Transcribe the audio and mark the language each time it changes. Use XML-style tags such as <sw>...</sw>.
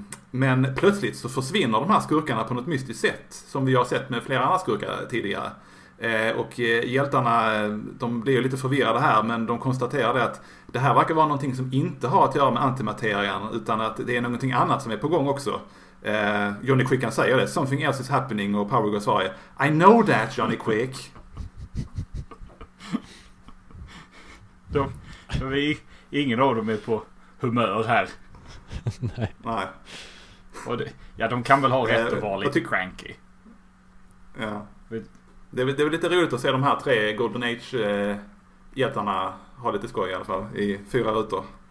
<sv>Men plötsligt så försvinner de här skurkarna på något mystiskt sätt. Som vi har sett med flera andra skurkar tidigare. Och hjältarna, de blir ju lite förvirrade här. Men de konstaterar att det här verkar vara någonting som inte har att göra med antimaterian. Utan att det är någonting annat som är på gång också. Johnny Quick kan säga det.</sv> <en>Something else is happening.</en> <sv>Och Power Girl svarar:</sv> <en>I know that,</en> <sv>Johnny Quick. Vi ingen av dem är på humör här. Nej. Nej. Och de kan väl ha rätt att vara lite cranky. Ja. Det är lite roligt att se de här tre Golden Age-hjältarna ha lite skoj i alla fall i fyra rutor.</sv>